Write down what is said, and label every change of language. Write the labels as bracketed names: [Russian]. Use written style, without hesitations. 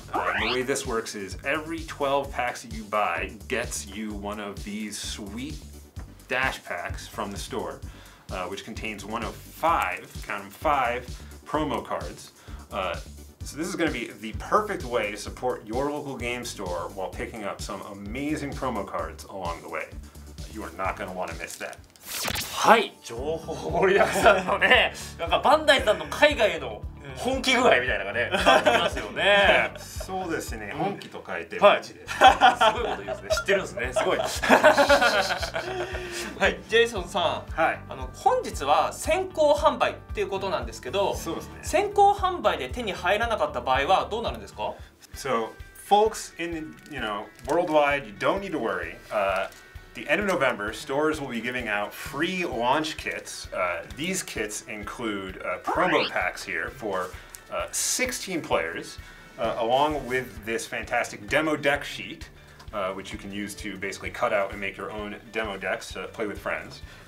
[English] The way this works is every 12 packs that you buy gets you one of these sweet dash packs from the store, which contains one of five, count them, five promo cards. So this is going to be the perfect way to support your local game store while picking up some amazing promo cards along the way. You are not going to want to miss that. [Japanese] はい、情報盛りだくさんのね、なんかバンダイさんの海外への本気具合みたいなのがね、ありますよね。そうですね、本気と書いて、マジで。すごいこと言いますね、知ってるんですね、すごい。はい、ジェイソンさん、はい、本日は先行販売っていうことなんですけど、そうですね、先行販売で手に入らなかった場合はどうなるんですか？ [English] So, folks in, you know, worldwide, you don't need to worry. The end of November, stores will be giving out free launch kits. These kits include promo packs here for 16 players, along with this fantastic demo deck sheet, which you can use to basically cut out and make your own demo decks to play with friends.